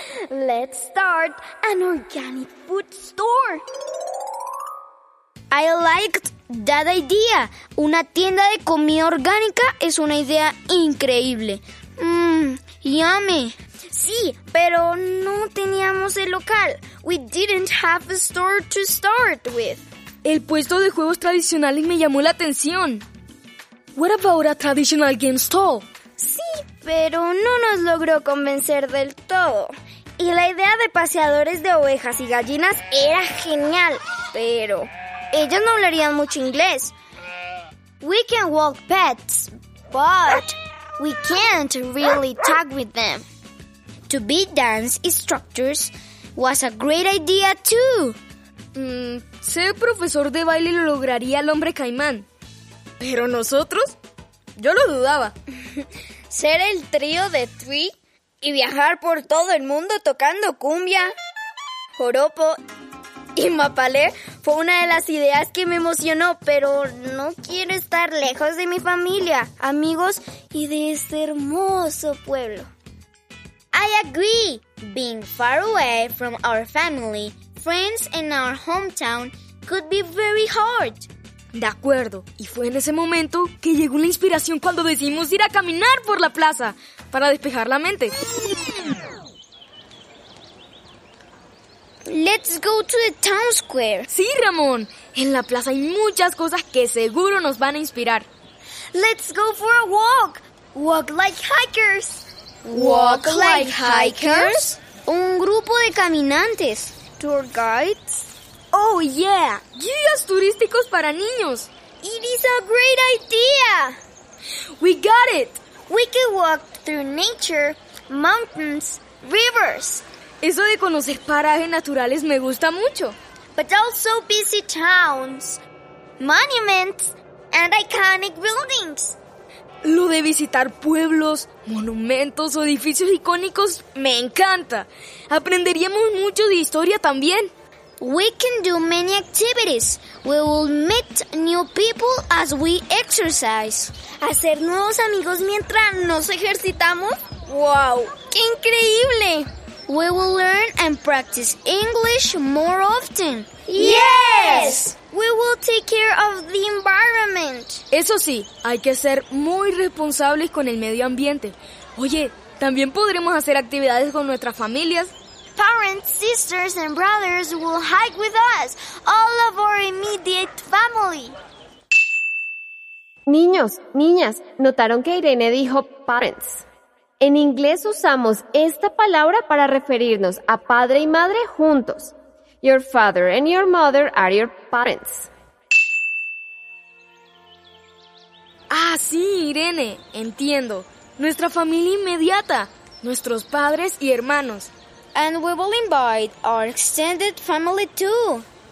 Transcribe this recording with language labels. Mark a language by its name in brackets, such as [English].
[English] Let's start an organic food store. I liked that idea. [Spanish] Una tienda de comida orgánica es una idea increíble. [English] Yummy. [Spanish] Sí, pero no teníamos el local. [English] We didn't have a store to start with. [Spanish] El puesto de juegos tradicionales me llamó la atención. [English] What about a traditional game store? [Spanish] Sí, pero no nos logró convencer del todo. Y la idea de paseadores de ovejas y gallinas era genial, pero ellos no hablarían mucho inglés. [English] We can walk pets, but we can't really talk with them. To be dance instructors was a great idea too. [Spanish] Ser profesor de baile lo lograría el hombre caimán. Pero nosotros, yo lo dudaba. Ser el trío de Twee y viajar por todo el mundo tocando cumbia, joropo y mapalé fue una de las ideas que me emocionó, pero no quiero estar lejos de mi familia, amigos y de este hermoso pueblo. [English] I agree. Being far away from our family, friends and our hometown could be very hard. [Spanish] De acuerdo. Y fue en ese momento que llegó la inspiración cuando decidimos ir a caminar por la plaza para despejar la mente. [English] Let's go to the town square. [Spanish] Sí, Ramón. En la plaza hay muchas cosas que seguro nos van a inspirar. [English] Let's go for a walk. Walk like hikers. Walk like hikers? [Spanish] Un grupo de caminantes. [English] Tour guides. ¡Oh, yeah! [Spanish] ¡Guías turísticos para niños! [English] ¡It is a great idea! ¡We got it! We can walk through nature, mountains, rivers. [Spanish] Eso de conocer parajes naturales me gusta mucho. [English] But also busy towns, monuments, and iconic buildings. [Spanish] Lo de visitar pueblos, monumentos o edificios icónicos me encanta. Aprenderíamos mucho de historia también. [English] We can do many activities. We will meet new people as we exercise. [Spanish] ¿Hacer nuevos amigos mientras nos ejercitamos? [English] ¡Wow! [Spanish] ¡Qué increíble! [English] We will learn and practice English more often. ¡Yes! We will take care of the environment. [Spanish] Eso sí, hay que ser muy responsables con el medio ambiente. Oye, también podremos hacer actividades con nuestras familias. [English] Parents, sisters, and brothers will hike with us, all of our immediate family. [Spanish] Niños, niñas, notaron que Irene dijo parents. En inglés usamos esta palabra para referirnos a padre y madre juntos. [English] Your father and your mother are your parents. [Spanish] Ah, sí, Irene, entiendo. Nuestra familia inmediata, nuestros padres y hermanos. [English] And we will invite our extended family too.